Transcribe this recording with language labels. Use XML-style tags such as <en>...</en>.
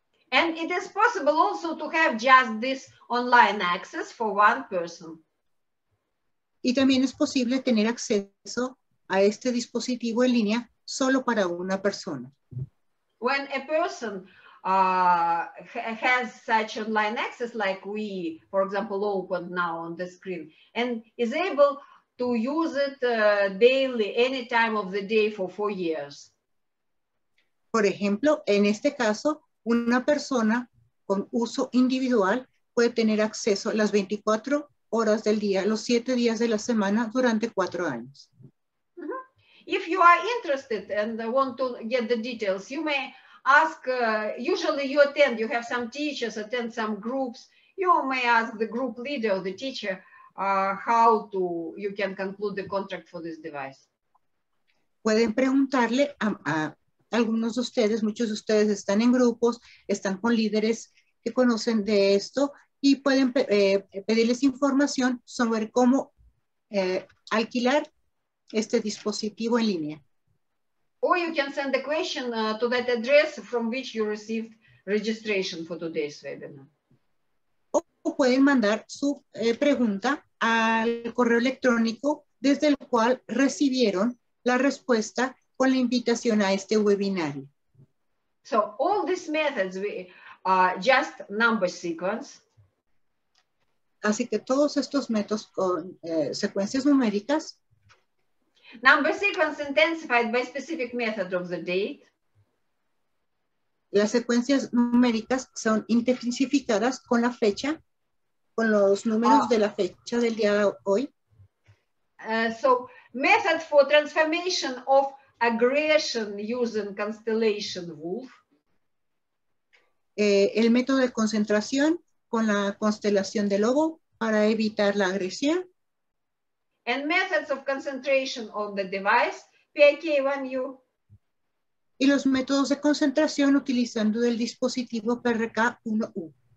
<en>And it is possible also to have just this online access for one person.</en> <es>Y también es posible tener acceso a este dispositivo en línea solo para una persona.</es> <en>When a person has such online access like we, for example, open now on the screen and is able to use it daily, any time of the day for 4 years.</en> <es>Por ejemplo, en este caso, una persona con uso individual puede tener acceso a las 24 horas del día, los 7 días de la semana durante 4 años.</es> <en>If you are interested and want to get the details, you may ask, usually you attend, you have some teachers, attend some groups. You may ask the group leader or the teacher how to, you can conclude the contract for this device.</en> <es>Pueden preguntarle a algunos de ustedes, muchos de ustedes están en grupos, están con líderes que conocen de esto y pueden pedirles información sobre cómo alquilar este dispositivo en línea.</es> <en>Or you can send a question to that address from which you received registration for today's webinar.</en> <es>O pueden mandar su pregunta al correo electrónico desde el cual recibieron la respuesta con la invitación a este webinario.</es> <en>So all these methods we are just number sequence.</en> <es>Así que todos estos métodos con secuencias numéricas.</es> <en>Number sequence intensified by specific method of the date.</en> <es>Las secuencias numéricas son intensificadas con la fecha, con los números de la fecha del día de hoy.</es> <en>So, method for transformation of aggression using constellation wolf.</en> <es>El método de concentración con la constelación de lobo para evitar la agresión.</es> <en>and methods of concentration on the device, PIK1U.</en> <es>Y los métodos de concentración utilizando el dispositivo PRK1U.</es>